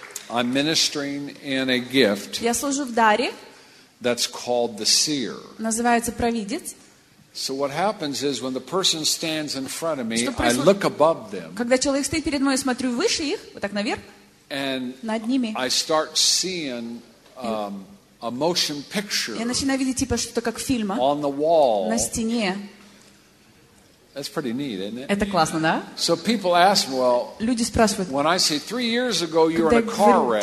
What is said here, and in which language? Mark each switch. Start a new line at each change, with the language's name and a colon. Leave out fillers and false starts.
English: I'm ministering in a gift.
Russian: Я служу в даре.
English: That's called the seer.
Russian: Называется провидец.
English: So what happens is when the person stands in front of me, I look above them.
Russian: Когда человек стоит передо мной, смотрю выше их, вот так наверх.
English: And
Russian: над ними.
English: I start seeing. A motion picture.
Russian: Я начинаю видеть типа что-то как фильма.
English: On the wall.
Russian: На стене.
English: That's pretty neat, isn't it?
Russian: Это классно, да?
English: So people ask, well.
Russian: Люди спрашивают.
English: When I say 3 years ago you were in a car wreck.